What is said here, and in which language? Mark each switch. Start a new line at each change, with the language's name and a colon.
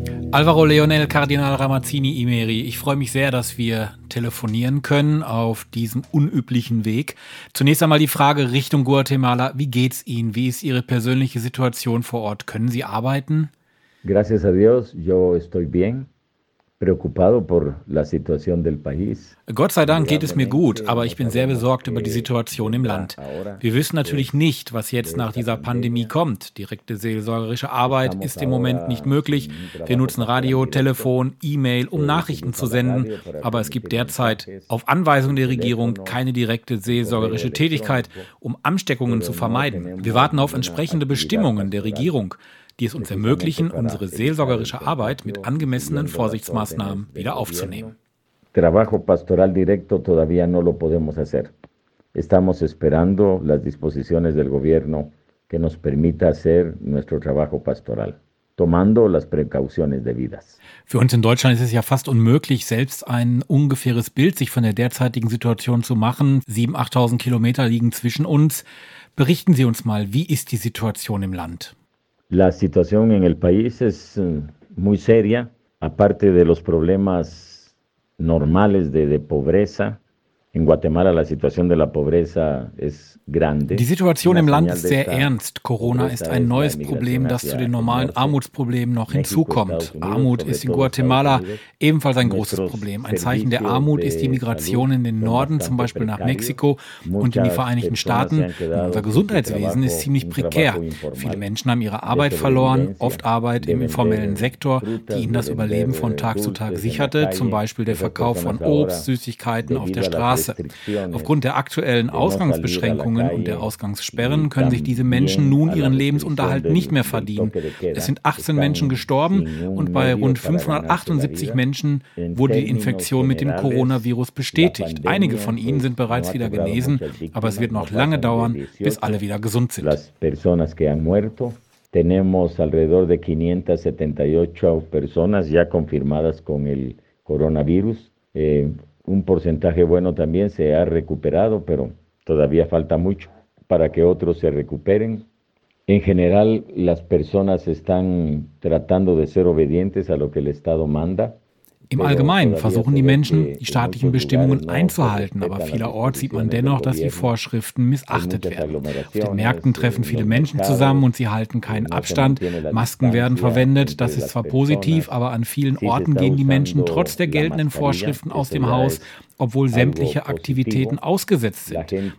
German: Alvaro Leonel, Kardinal Ramazzini Imeri, ich freue mich sehr, dass wir telefonieren können auf diesem unüblichen Weg. Zunächst einmal die Frage Richtung Guatemala. Wie geht's Ihnen? Wie ist Ihre persönliche Situation vor Ort? Können Sie arbeiten?
Spanish: Gracias a Dios, yo estoy bien. Preocupado por la situación del país.
German: Gott sei Dank geht es mir gut, aber ich bin sehr besorgt über die Situation im Land. Wir wissen natürlich nicht, was jetzt nach dieser Pandemie kommt. Direkte seelsorgerische Arbeit ist im Moment nicht möglich. Wir nutzen Radio, Telefon, E-Mail, um Nachrichten zu senden, aber es gibt derzeit auf Anweisung der Regierung keine direkte seelsorgerische Tätigkeit, um Ansteckungen zu vermeiden. Wir warten auf entsprechende Bestimmungen der Regierung, die es uns ermöglichen, unsere seelsorgerische Arbeit mit angemessenen Vorsichtsmaßnahmen wieder aufzunehmen.
Spanish: Trabajo pastoral directo todavía no lo podemos hacer. Estamos esperando las disposiciones del gobierno que nos permita hacer nuestro trabajo pastoral, tomando las precauciones debidas.
German: Für uns in Deutschland ist es ja fast unmöglich, selbst ein ungefähres Bild sich von der derzeitigen Situation zu machen. 7.000-8.000 Kilometer liegen zwischen uns. Berichten Sie uns mal, wie ist die Situation im Land?
Spanish: La situación en el país es muy seria, aparte de los problemas normales de pobreza. En Guatemala la situación de la pobreza es grande.
German: Die Situation im Land ist sehr ernst. Corona ist ein neues Problem, das zu den normalen Armutsproblemen noch hinzukommt. Armut ist in Guatemala ebenfalls ein großes Problem. Ein Zeichen der Armut ist die Migration in den Norden, zum Beispiel nach Mexiko und in die Vereinigten Staaten. Und unser Gesundheitswesen ist ziemlich prekär. Viele Menschen haben ihre Arbeit verloren, oft Arbeit im informellen Sektor, die ihnen das Überleben von Tag zu Tag sicherte, zum Beispiel der Verkauf von Obst, Süßigkeiten auf der Straße. Aufgrund der aktuellen Ausgangsbeschränkungen und der Ausgangssperren können sich diese Menschen nun ihren Lebensunterhalt nicht mehr verdienen. Es sind 18 Menschen gestorben und bei rund 578 Menschen wurde die Infektion mit dem Coronavirus bestätigt. Einige von ihnen sind bereits wieder genesen, aber es wird noch lange dauern, bis alle wieder gesund sind.
Spanish: Las personas que han muerto, tenemos alrededor de 578 personas ya confirmadas con el coronavirus. Un porcentaje bueno también se ha recuperado, pero todavía falta mucho para que otros se recuperen. En general, las personas están tratando de ser obedientes a lo que el Estado manda.
German: Im Allgemeinen versuchen die Menschen, die staatlichen Bestimmungen einzuhalten, aber vielerorts sieht man dennoch, dass die Vorschriften missachtet werden. Auf den Märkten treffen viele Menschen zusammen und sie halten keinen Abstand. Masken werden verwendet, das ist zwar positiv, aber an vielen Orten gehen die Menschen trotz der geltenden Vorschriften aus dem Haus, obwohl sämtliche Aktivitäten ausgesetzt sind.